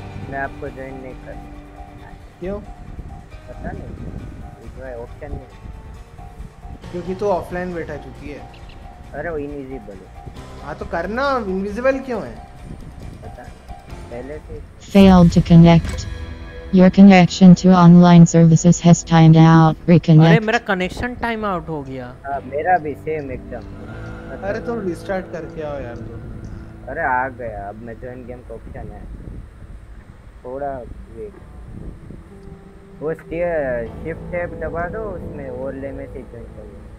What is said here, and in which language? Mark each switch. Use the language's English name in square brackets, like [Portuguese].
[Hindi] मैं आपको ज्वाइन नहीं कर. क्यों पता नहीं ऑप्शन नहीं. क्योंकि तो ऑफलाइन बैठा चुकी है. अरे वो इनविजिबल है. हाँ तो करना इनविजिबल क्यों है पता. पहले से [English] failed to connect. Your connection to online services has timed out. Reconnect. [Hindi] अरे मेरा connection time out हो गया. मेरा भी same एकदम. अरे तुम restart करके आओ यार तुम. अरे आ गया. अब मैं join game का option है. थोड़ा wait. वो steer shift tab दबा दो उसमें overlay में से join करो.